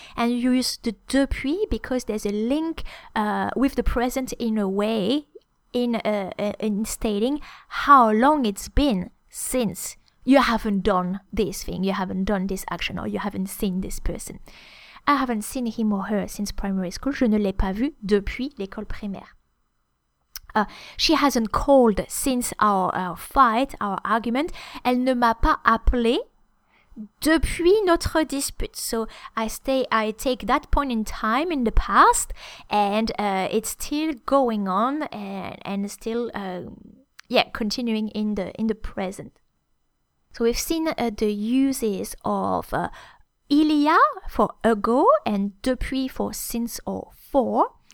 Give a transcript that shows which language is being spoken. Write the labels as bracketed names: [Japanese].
[English] And you use the depuis because there's a link with the present in a way in stating how long it's been since you haven't done this thing, you haven't done this action, or you haven't seen this person. I haven't seen him or her since primary school. [French] Je ne l'ai pas vu depuis l'école primaire. [English] She hasn't called since our fight, our argument. [French] Elle ne m'a pas appelé depuis notre dispute. [English] So I take that point in time in the past, and it's still going on and still continuing in the present. So we've seen the uses of il y a for ago and depuis for since or for.